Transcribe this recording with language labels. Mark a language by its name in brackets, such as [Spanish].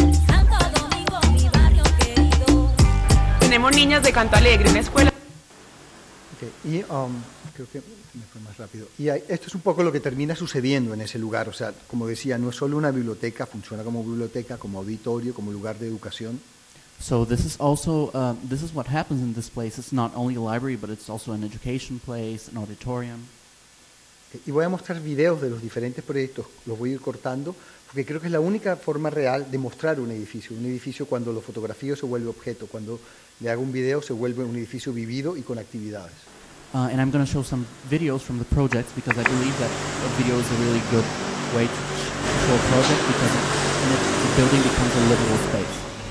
[Spanish] Santo Domingo, mi barrio querido. Tenemos niñas de Canto Alegre, una escuela. Okay, creo que me fue más rápido. Y esto es un poco lo que termina sucediendo en ese lugar. O sea, como decía, no es solo una biblioteca, funciona como biblioteca, como auditorio, como lugar de educación. [English] So this is also this is what happens in this place. It's not only a library, but it's also an education place, an auditorium. [Spanish] Y voy a mostrar videos de los diferentes proyectos. Los voy a ir cortando porque creo que es la única forma real de mostrar un edificio. Un edificio cuando lo fotografío se vuelve objeto. Cuando le hago un video se vuelve un edificio vivido y con actividades. [English] And I'm going to show some videos from the projects because I believe that a video is a really good way to show a project because the building becomes a livable space.